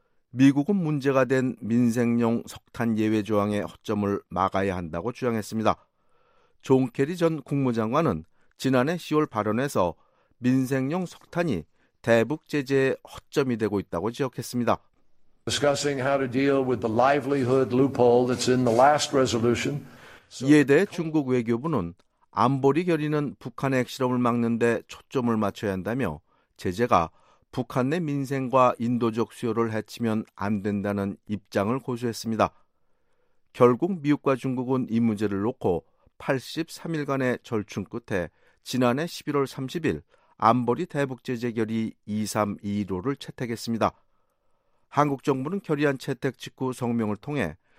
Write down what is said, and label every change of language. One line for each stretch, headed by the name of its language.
Korean: 미국은 문제가 된 민생용 석탄 예외 조항의 허점을 막아야 한다고 주장했습니다. 존 케리 전 국무장관은 지난해 10월 발언에서 민생용 석탄이 대북 제재의 허점이 되고 있다고 지적했습니다.
English: Discussing how to deal with the livelihood loophole that's in the last resolution.
Korean: 이에 대해 중국 외교부는 안보리 결의는 북한의 핵실험을 막는 데 초점을 맞춰야 한다며 제재가 북한 내 민생과 인도적 수요를 해치면 안 된다는 입장을 고수했습니다. 결국 미국과 중국은 이 문제를 놓고 83일간의 절충 끝에 지난해 11월 30일 안보리 대북 제재 결의 2321호를 채택했습니다. 한국 정부는 결의안 채택 직후 성명을 통해